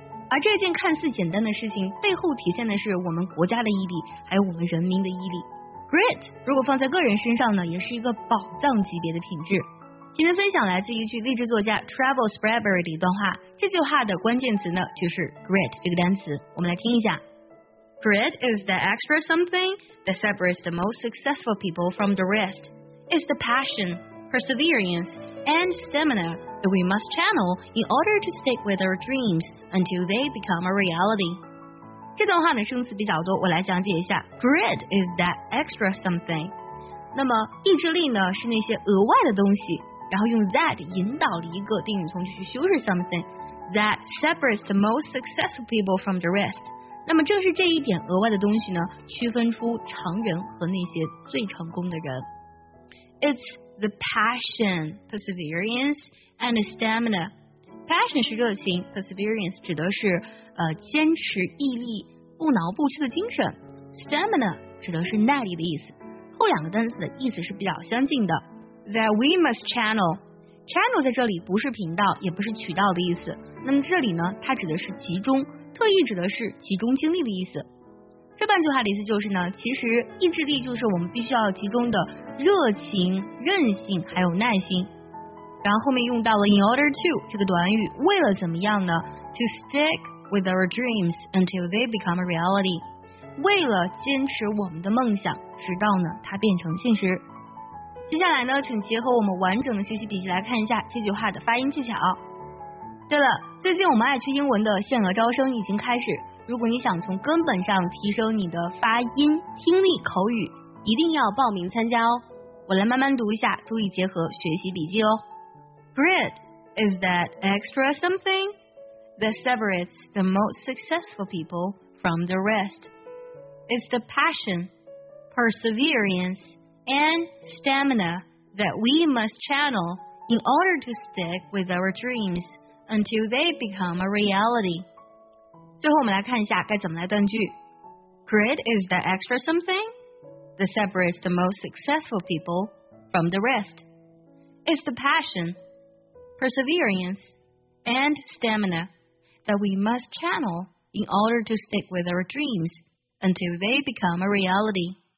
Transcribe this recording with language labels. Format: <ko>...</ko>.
<zh>而这件看似简单的事情背后体现的是我们国家的毅力，还有我们人民的毅力。 Grit 如果放在个人身上呢，也是一个宝藏级别的品质。今天分享来自一句励志作家 Travel Spreberry 的一段话，这句话的关键词呢就是 Grit 这个单词，我们来听一下。</zh> <en>Grit is the extra something that separates the most successful people from the rest. It's the passion, perseverance and stamina that we must channel in order to stick with our dreamsUntil they become a reality.</en> <zh>这段话的生词比较多，我来讲解一下。</zh> <en>Grit is that extra something.</en> <zh>那么意志力呢，是那些额外的东西，然后用 that 引导了一个定语从句去修饰</zh> <en>something that separates the most successful people from the rest.</en> <zh>那么正是这一点额外的东西呢，区分出常人和那些最成功的人。</zh> <en>It's the passion, perseverance, and stamina.</en> <zh>Passion 是热情 ，perseverance 指的是坚持毅力、不挠不屈的精神 ，stamina 指的是耐力的意思。后两个单词的意思是比较相近的。</zh> <en>That we must channel，</en> <zh>channel 在这里不是频道，也不是渠道的意思。那么这里呢，它指的是集中，特意指的是集中精力的意思。这半句话的意思就是呢，其实意志力就是我们必须要集中的热情、韧性还有耐心。然后后面用到了</zh> <en>in order to</en> <zh>这个短语，为了怎么样呢？</zh> <en>To stick with our dreams until they become a reality，</en> <zh>为了坚持我们的梦想，直到呢它变成现实。接下来呢，请结合我们完整的学习笔记来看一下这句话的发音技巧。对了，最近我们爱趣英文的限额招生已经开始，如果你想从根本上提升你的发音、听力、口语，一定要报名参加哦。我来慢慢读一下，注意结合学习笔记哦。</zh> <en>Grit is that extra something that separates the most successful people from the rest. It's the passion, perseverance, and stamina that we must channel in order to stick with our dreams until they become a reality.</en> <zh>最后我们来看一下该怎么来断句。</zh> <en>Grit is that extra something that separates the most successful people from the rest. It's the passion,perseverance and stamina that we must channel in order to stick with our dreams until they become a reality.</en>